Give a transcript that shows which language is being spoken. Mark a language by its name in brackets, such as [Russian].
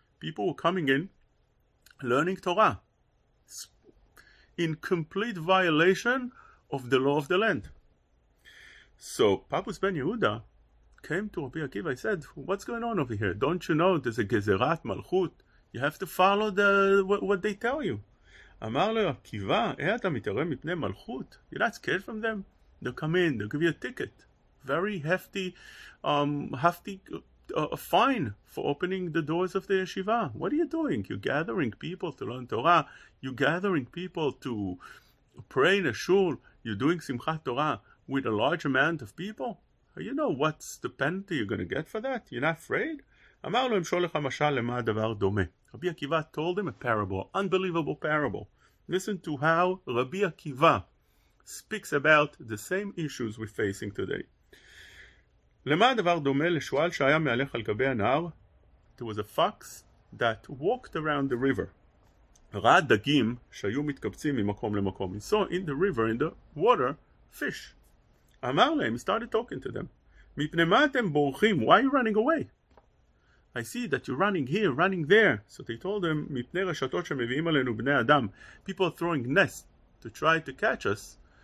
[English] People were coming in, learning Torah, in complete violation of the law of the land. So Papus ben Yehuda came to Rabbi Akiva. He said, "What's going on over here? Don't you know there's a gezerat malchut? You have to follow what they tell you." [Hebrew] אמר לו, עקיבה, אה אתה מתערב מפני מלכות? [English] You're not scared from them? They'll come in, they'll give you a ticket. Very hefty, a fine for opening the doors of the yeshiva. What are you doing? You're gathering people to learn Torah. You're gathering people to pray in a shul. You're doing simchat Torah with a large amount of people. You know what's the penalty you're going to get for that? You're not afraid? [Hebrew] אמר לו, אמשול לך משל למה הדבר דומה. [English] Rabbi Akiva told him a parable, unbelievable parable. Listen to how Rabbi Akiva speaks about the same issues we're facing today. [Hebrew] למה הדבר דומה לשועל שהיה מהלך על גבי הנהר? [English] There was a fox that walked around the river. [Hebrew] ראה דגים שהיו מתקבצים ממקום למקום. [English] He saw in the river, in the water, fish. [Hebrew] אמר להם, [English] he started talking to them. [Hebrew] מפני מה אתם בורחים? [English] Why are you running away? I see that you're running here, running there. So they told him, [Hebrew] "Mipnei rashatot shemeviim alenu bnei adam." [English] People are throwing nests to try to catch us.